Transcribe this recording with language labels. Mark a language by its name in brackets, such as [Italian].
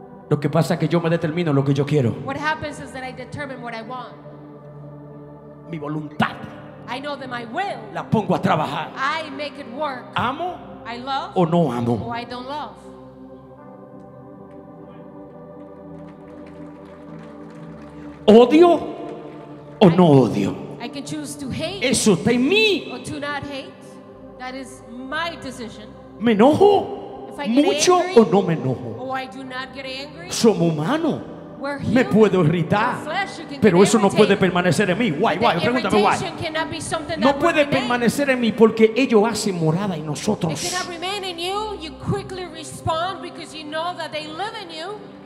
[Spanish] Lo que pasa es que yo me determino lo que yo quiero. [English] What happens is that I determine what I want. [Spanish] Mi voluntad. [English] I know that my will. [Spanish] La pongo a trabajar. [English] I make it work. [Spanish] Amo. [English] I love. [Spanish] O no amo. [English] Or I don't love. [Spanish] ¿Odio o no odio? [English] I can choose to hate. [Spanish] Eso está en mí. [English] Or to not hate. That is my decision. [Spanish] ¿Me enojo? [English] If I get [Spanish] mucho [English] angry, [Spanish] o no me enojo. [English] Or I do not get angry. [Spanish] Somos humanos. [English] We're human. [Spanish] Me puedo irritar. [English] Flesh, [Spanish] pero eso no puede permanecer en mí. Guay, guay, pregúntame guay. No puede permanecer en mí porque ello hace morada en nosotros. [English] It cannot remain in you. You quickly respond because you know that they live in you.